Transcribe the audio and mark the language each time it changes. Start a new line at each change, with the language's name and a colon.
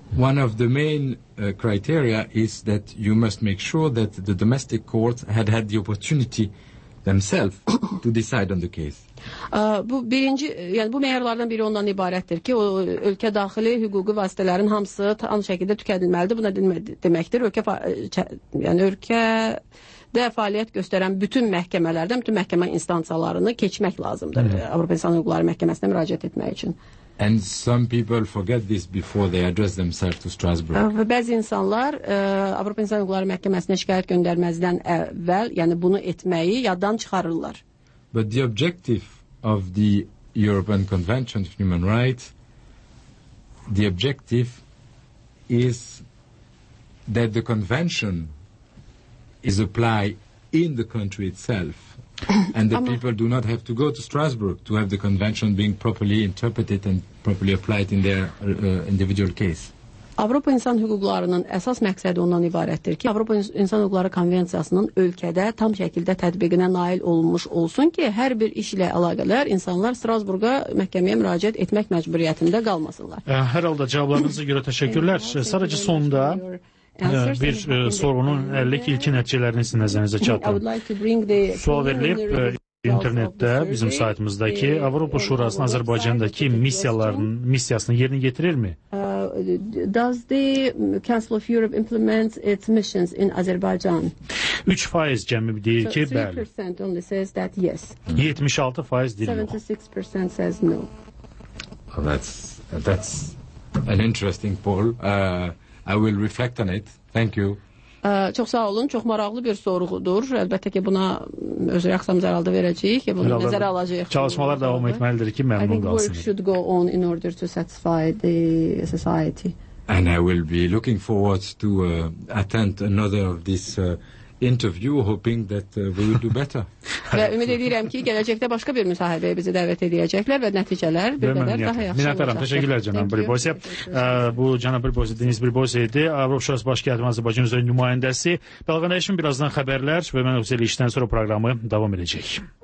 English: One of the main criteria is that you must make sure that the domestic court had the opportunity themselves to decide on the case.
Azerbaijani: Bu birinci, yəni bu meyarlardan biri ondan ibarətdir ki, o ölkə daxili hüquqi vasitələrin hamısı tam şəkildə tükədilməlidir. Bu nə deməkdir? Ölkə yəni ölkədə fəaliyyət göstərən bütün məhkəmələrdən, bütün məhkəmə instansiyalarını keçmək lazımdır. Mm-hmm. Avropa İnsan Hüquqları Məhkəməsinə müraciət etmək üçün.
English: And some people forget this before they address themselves to Strasbourg.
Azerbaijani: Bəzi insanlar Avropa İnsan Hüquqları Məhkəməsinə şikayət göndərməzdən əvvəl, yəni bunu etməyi yaddan çıxarırlar.
English: But the objective of the European Convention of Human Rights, the objective is that the convention is applied in the country itself. And the people do not have to go to Strasbourg to have the convention being properly interpreted and properly applied in their individual case.
Azerbaijani: Avropa İnsan Hüquqlarının əsas məqsədi ondan ibarətdir ki, Avropa İnsan Hüquqları Konvensiyasının ölkədə tam şəkildə tətbiqinə nail olunmuş olsun ki, hər bir işlə əlaqələr insanlar Strasburg'a məhkəməyə müraciət etmək məcburiyyətində qalmasınlar. Hər halda cavablarınıza görə təşəkkürlər. Sadəcə sonda bir sorunun 52 ilki nəticələrini sizin nəzərinizə çatdırım. Sual verilib internetdə bizim saytımızdakı Avropa Şurasının Azərbaycandakı missiyasını yerinə yetirirmi?
English: Does the Council of Europe implement its missions in Azerbaijan?
Azerbaijani: 3% cəmi deyir ki,
English: so 3% bəli. Only says that yes.
Azerbaijani: 76% deyir.
English: 76% says no. Well, that's an interesting poll. I will reflect on it. Thank you.
Azerbaijani: Çox sağ olun. Çox maraqlı bir sorğudur. Əlbəttə ki, buna öz reaksiyamızı herhalde verəcəyik. Bunu nəzərə alacaq. Çalışmalar davam etməlidir ki, məmnun qalsın.
English: I think work should go on in order to satisfy the society. And I will be looking forward to attend another of this interview, hoping that we will do better.
Azerbaijani: Və ümid edirəm ki, gələcəkdə başqa bir müsahibəyə bizi dəvət edəcəklər və nəticələr bir qədər daha yaxşı olacaq. Minnətdaram, təşəkkürlər cənab Briboysə. Bu cənab Briboysə, Deniz Briboysə idi. Avropa Şurası Baş Katibi Azərbaycan üzrə nümayəndəsi. Bəlkən işin birazdan xəbərlər və mən özəl işdən sonra proqramı davam edəcək.